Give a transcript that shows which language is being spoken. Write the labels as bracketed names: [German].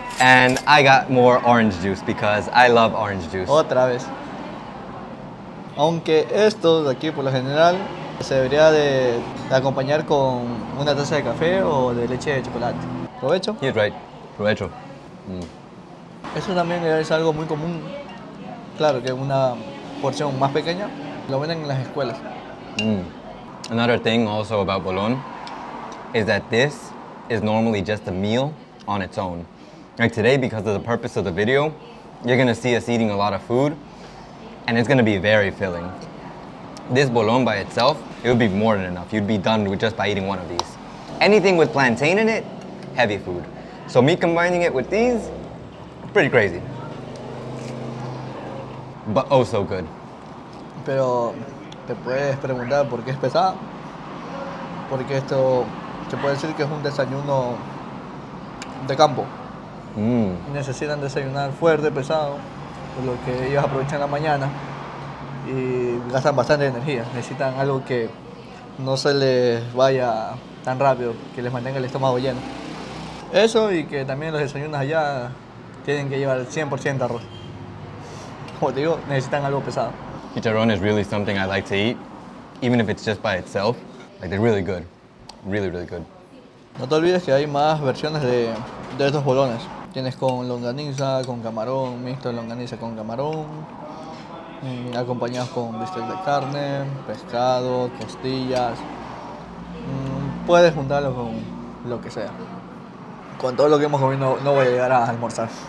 [English] And I got more orange juice because I love orange juice. [Spanish] Otra vez. Aunque esto de aquí por lo general se debería de acompañar con una taza de café o de leche de chocolate. Provecho. [English] He's right. Provecho. Mm. [Spanish] Eso también es algo muy común. Claro, que una porción más pequeña. Lo venden en las escuelas. Mm. [English] Another thing also about bolon is that this is normally just a meal on its own. Like today, because of the purpose of the video, you're gonna see us eating a lot of food and it's gonna be very filling. This bolon by itself, it would be more than enough. You'd be done with just by eating one of these. Anything with plantain in it, heavy food. So me combining it with these, pretty crazy. But oh so good. [Spanish] Pero te puedes preguntar por qué es pesada, porque esto se puede decir que es un desayuno de campo. Mm. Necesitan desayunar fuerte, pesado, por lo que ellos aprovechan la mañana y gastan bastante energía. Necesitan algo que no se les vaya tan rápido, que les mantenga el estómago lleno. Eso y que también los desayunos allá tienen que llevar 100% arroz. Como te digo, necesitan algo pesado. [English] Chicharrón is really something I like to eat, even if it's just by itself. Like, they're really good. Really, really good. [Spanish] No te olvides que hay más versiones de estos bolones. Tienes con longaniza, con camarón, mixto de longaniza con camarón, acompañados con bistec de carne, pescado, costillas. Puedes juntarlo con lo que sea. Con todo lo que hemos comido, no voy a llegar a almorzar.